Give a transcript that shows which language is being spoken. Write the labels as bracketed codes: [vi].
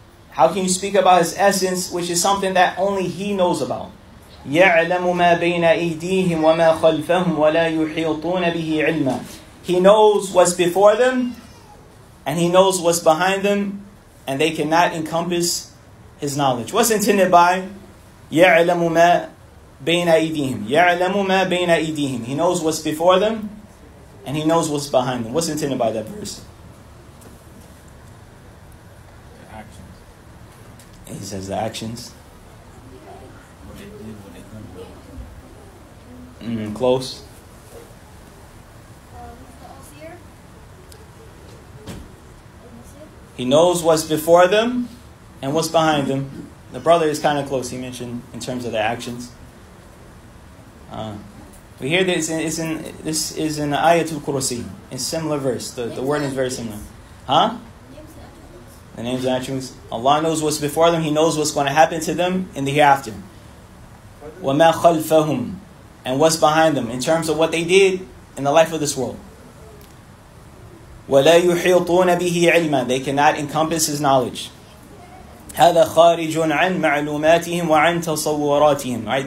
[en] How can you speak about His essence, which is something that only He knows about? [ar] يَعْلَمُ مَا بَيْنَ أَيْدِيهِمْ وَمَا خَلْفَهُمْ وَلَا يُحِيطُونَ بِهِ عِلْمًا. [en] He knows what's before them, and He knows what's behind them, and they cannot encompass His knowledge. What's intended by [ar] يَعْلَمُ مَا بَيْنَ أَيْدِيهِمْ. يَعْلَمُ مَا بَيْنَ أَيْدِيهِمْ. [en] He knows what's before them and He knows what's behind them. What's intended by that verse? The actions. He says the actions. What they did, what they couldn't do. Close. The He knows what's before them and what's behind them. The brother is kind of close, he mentioned, in terms of the actions. We hear this is in the Ayatul Kursi, a similar verse. The word is very similar. Huh? The names and attributes. Allah knows what's before them. He knows what's going to happen to them in the hereafter. [ar] وَمَا خَلْفَهُمْ [en] and what's behind them in terms of what they did in the life of this world. [ar] وَلَا يُحِيطُونَ بِهِ عِلْمًا [en] they cannot encompass his knowledge. [ar] هَذَا خَارِجٌ عَنْ مَعْلُومَاتِهِمْ وَعَنْ تَصَوَّرَاتِهِمْ right?